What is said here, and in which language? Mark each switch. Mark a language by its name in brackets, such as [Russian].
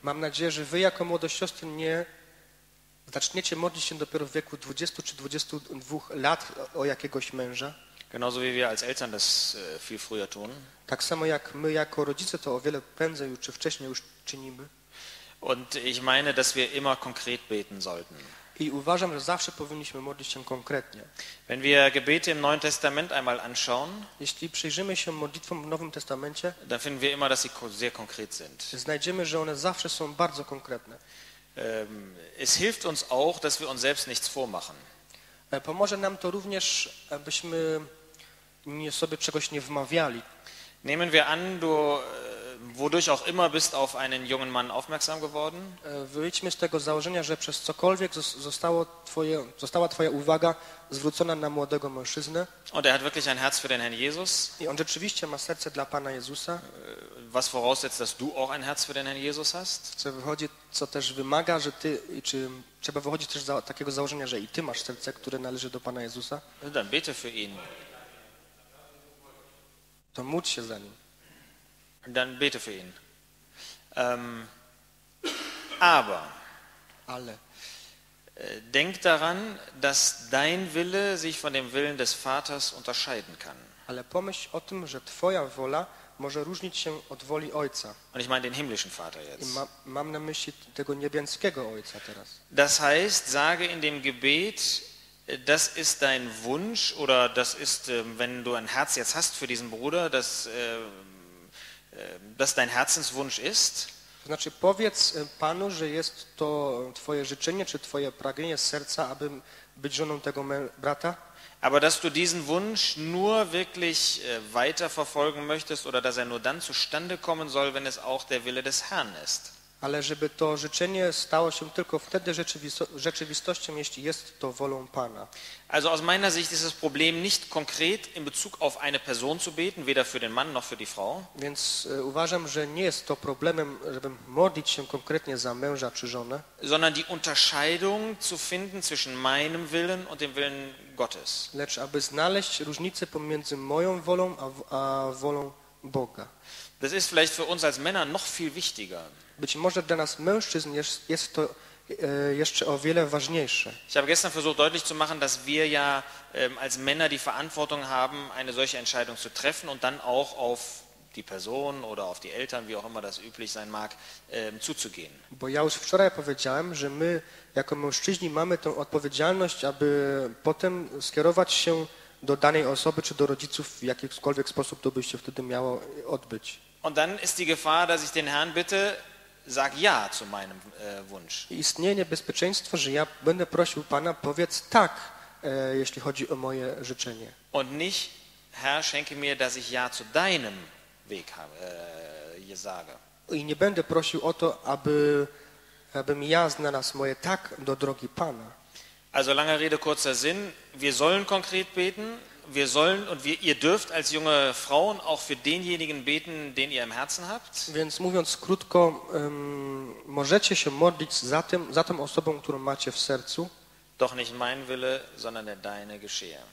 [Polish] Mam nadzieję, że wy jako młode siostry nie zaczniecie modlić się dopiero w wieku 20 czy 22 lat o jakiegoś męża. [German] Genauso wie wir als Eltern das viel früher tun. [Polish] Tak samo jak my jako rodzice to o wiele prędzej czy wcześniej już czynimy. [German] Und ich meine, dass wir immer konkret beten sollten. [Polish] I uważam, że zawsze powinniśmy modlić się konkretnie. [German] Wenn wir Gebete im Neuen Testament einmal anschauen, [Polish] jeśli przyjrzymy się modlitwom w Nowym Testamencie, [German] dann finden wir immer, dass sie sehr konkret sind. [Polish] Znajdziemy, że one zawsze są bardzo konkretne. [German] Es hilft uns auch, dass wir uns selbst nichts vormachen. [Polish] Pomoże nam to również, abyśmy nie sobie czegoś nie wmawiali. [German] Nehmen wir an, du wodurch auch immer bist auf einen jungen Mann aufmerksam geworden. [Polish] Wyjdźmy z tego założenia, że przez cokolwiek została twoja uwaga zwrócona na młodego mężczyznę. [German] Und er hat wirklich ein Herz für den Herrn Jesus. [Polish] I on rzeczywiście ma serce dla Pana Jezusa. [German] Was voraussetzt, dass du auch ein Herz für den Herrn Jesus hast? [Polish] Co wychodzi, co też wymaga, że ty, czy trzeba wychodzić też z takiego założenia, że i ty masz serce, które należy do Pana Jezusa? [German] Dann bete für ihn. [Polish] To módl się za nim. [German] Dann bete für ihn. Aber alle. Denk daran, dass dein Wille sich von dem Willen des Vaters unterscheiden kann. [Polish] Ale pomyśl o tym, że twoja wola może różnić się od woli Ojca. [German] Und ich meine den himmlischen Vater jetzt. [Polish] Mam na myśli tego niebiańskiego Ojca teraz. [German] Das heißt, sage in dem Gebet, das ist dein Wunsch, oder das ist, wenn du ein Herz jetzt hast für diesen Bruder, dass dein Herzenswunsch ist. [Polish] Znaczy, powiedz Panu, że jest to twoje życzenie, czy twoje pragnienie serca, aby być żoną tego brata. [German] Aber dass du diesen Wunsch nur wirklich weiterverfolgen möchtest, oder dass er nur dann zustande kommen soll, wenn es auch der Wille des Herrn ist. [Polish] Ale żeby to życzenie stało się tylko wtedy rzeczywistością, jeśli jest to wolą Pana. [German] Also aus meiner Sicht ist das Problem nicht konkret in Bezug auf eine Person zu beten, weder für den Mann noch für die Frau. [Polish] Więc uważam, że nie jest to problemem, żeby modlić się konkretnie za męża czy żonę, [German] sondern die Unterscheidung zu finden zwischen meinem Willen und dem Willen Gottes. [Polish] Lecz aby znaleźć różnicę pomiędzy moją wolą a wolą Boga. [German] Das ist vielleicht für uns als Männer noch viel wichtiger. [Polish] Być może dla nas mężczyzn jest to jeszcze o wiele ważniejsze. [German] Ich habe gestern versucht deutlich zu machen, dass wir ja als Männer die Verantwortung haben, eine solche Entscheidung zu treffen und dann auch auf die Person oder auf die Eltern, wie auch immer das üblich sein mag, zuzugehen. [Polish] Bo ja już wczoraj powiedziałem, że my jako mężczyźni mamy tę odpowiedzialność, aby potem skierować się do danej osoby czy do rodziców w jakikolwiek sposób to by się wtedy miało odbyć. [German] Und dann ist die Gefahr, dass ich den Herrn bitte, sag ja zu meinem Wunsch. [Polish] Istnieje niebezpieczeństwo, że ja będę prosił Pana, powiedz tak, jeśli chodzi o moje życzenie. [German] Und nicht, Herr, schenke mir, dass ich ja zu deinem Weg sage. [Polish] I nie będę prosił o to, abym ja znalazł moje tak do drogi Pana. [German] Also lange Rede, kurzer Sinn, wir sollen konkret beten. Wir sollen und ihr dürft als junge Frauen auch für denjenigen beten, den ihr im Herzen habt. [Polish] Więc mówiąc krótko, możecie się modlić za tą osobą, którą macie w sercu. [German] Doch nicht mein Wille, sondern deine geschehe.